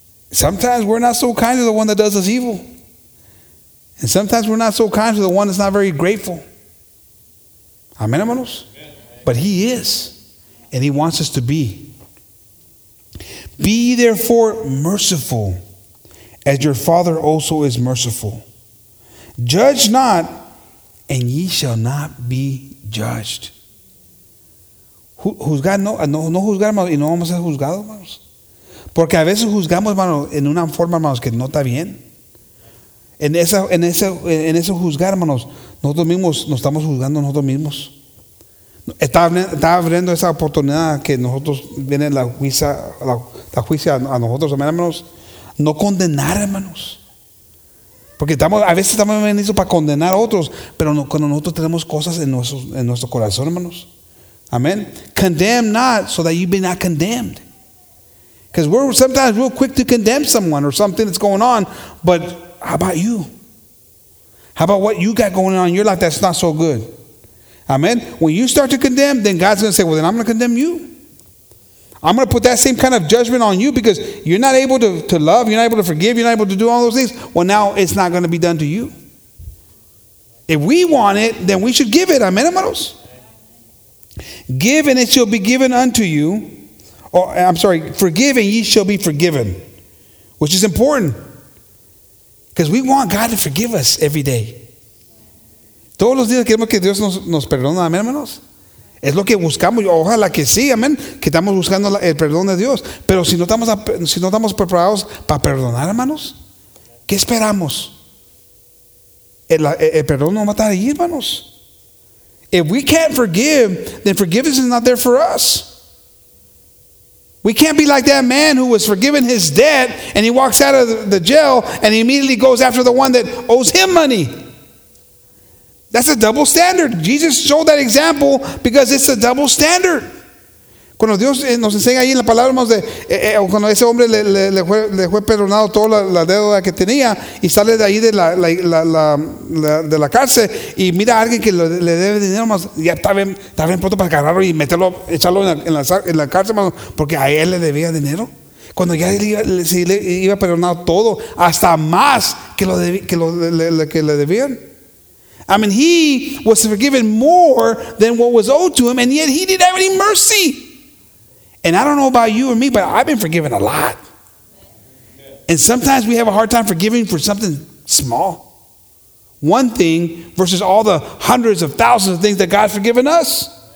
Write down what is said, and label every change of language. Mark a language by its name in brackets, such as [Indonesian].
[English] Sometimes we're not so kind to the one that does us evil. And sometimes we're not so kind to the one that's not very grateful. Amen, hermanos? But he is. And he wants us to be. Be therefore merciful, as your Father also is merciful. Judge not, and ye shall not be judged. Who's God? [Spanish] No juzgar, hermanos, y no vamos a ser juzgados, hermanos. Porque a veces juzgamos, hermanos, en una forma, hermanos, que no está bien. En ese juzgar, hermanos, nosotros mismos nos estamos juzgando nosotros mismos. Está abriendo esa oportunidad que nosotros viene la juicia a nosotros, hermanos. No condenar, hermanos. Porque a veces estamos venidos para condenar a otros, pero no, cuando nosotros tenemos cosas en nuestro corazón, hermanos. Amén. [English] Condemn not, so that you be not condemned. Because we're sometimes real quick to condemn someone or something that's going on, but how about you? How about what you got going on in your life that's not so good? Amen. When you start to condemn, then God's going to say, well, then I'm going to condemn you. I'm going to put that same kind of judgment on you because you're not able to love, you're not able to forgive, you're not able to do all those things. Well, now it's not going to be done to you. If we want it, then we should give it. Amen, hermanos? Give and it shall be given unto you. forgive and ye shall be forgiven, which is important because we want God to forgive us every day. [Spanish] Todos los días queremos que Dios nos perdone, amén, hermanos. Es lo que buscamos. Ojalá que sí, amén. Que estamos buscando el perdón de Dios. Pero si no estamos preparados para perdonar, hermanos, ¿qué esperamos? El perdón no va a estar ahí, hermanos. [English] If we can't forgive, then forgiveness is not there for us. We can't be like that man who was forgiven his debt and he walks out of the jail and he immediately goes after the one that owes him money. That's a double standard. Jesus showed that example because it's a double standard. [Spanish] Cuando Dios nos enseña ahí en la palabra, hermanos, cuando ese hombre le fue perdonado toda la deuda que tenía y sale de ahí de la cárcel y mira a alguien que le debe dinero, hermanos, ya está bien pronto para agarrarlo y meterlo, echarlo en la cárcel, hermanos, porque a él le debía dinero. Cuando ya le iba perdonado todo, hasta más que le debían. [English] I mean, he was forgiven more than what was owed to him, and yet he didn't have any mercy. And I don't know about you or me, but I've been forgiven a lot. And sometimes we have a hard time forgiving for something small. One thing versus all the hundreds of thousands of things that God's forgiven us.